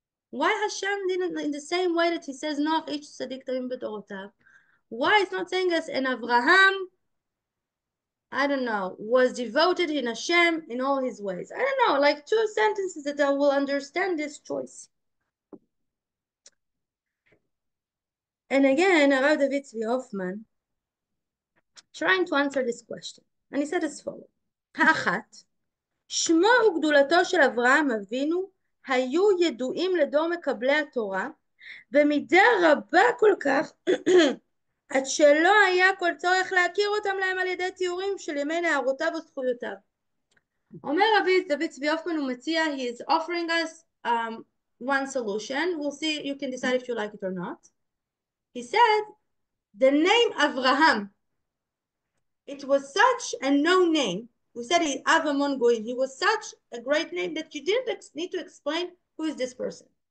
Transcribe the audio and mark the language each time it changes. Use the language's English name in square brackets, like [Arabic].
[English] Why Hashem didn't, in the same way that he says, Noach ish tzadik tamim bedorotav, why he's not saying us, and Avraham, I don't know, was devoted in Hashem in all his ways. I don't know, like two sentences that I will understand this choice. And again, Rav David Zvi Hoffman trying to answer this question. And he said as follows. [Hebrew] האחת, שמו וגדולתו של אברהם אבינו היו ידועים לדור מקבלי התורה, במידה רבה כל כך, עד שלא היה כל צורך להכיר אותם להם על ידי תיאורים של ימי נערותיו וזכויותיו. אומר רבי דוד צבי הופמן, הוא מציע, [English] he is offering us one solution, we'll see, you can decide if you like it or not. He said, the name Avraham, it was such a known name, we said he's Avamon Goyim, he was such a great name that you didn't need to explain who is this person.